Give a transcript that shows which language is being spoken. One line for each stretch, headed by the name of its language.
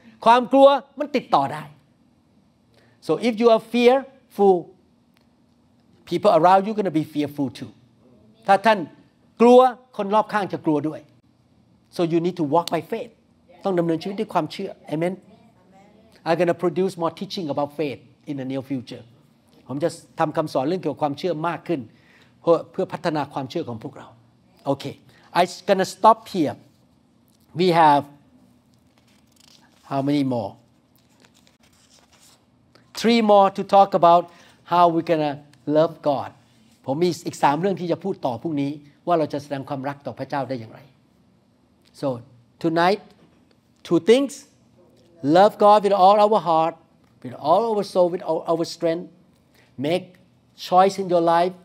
Thai: ความกลัวมันติดต่อได้
English: So if you are fearful, people around you are going to be fearful too.
Thai: ถ้าท่านกลัวคนรอบข้างจะกลัวด้วย
English: So you need to walk by faith.
Thai: ต้องดำเนินชีวิตด้วยความเชื่อ
English: Amen. I'm going to produce more teaching about faith in the near future.
Thai: ผมจะทำคำสอนเรื่องเกี่ยวกับความเชื่อมากขึ้นเพื่อพัฒนาความเชื่อของพวกเราโอเค
English: I'm gonna stop here we have how many more three more to talk about how we gonna love God
Thai: ผมมีอีก3เรื่องที่จะพูดต่อพรุ่งนี้ว่าเราจะแสดงความรักต่อพระเจ้าได้อย่างไร
English: so tonight two things love God with all our heart with all our soul with all our strengthMake choice in your life.